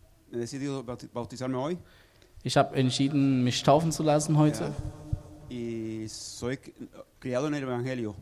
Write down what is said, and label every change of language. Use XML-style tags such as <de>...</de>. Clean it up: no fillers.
<es>He decidido bautizarme hoy.</es> <de>Ich habe entschieden, mich taufen zu lassen heute.</de> <es>Ja. Y soy criado en el Evangelio.</es>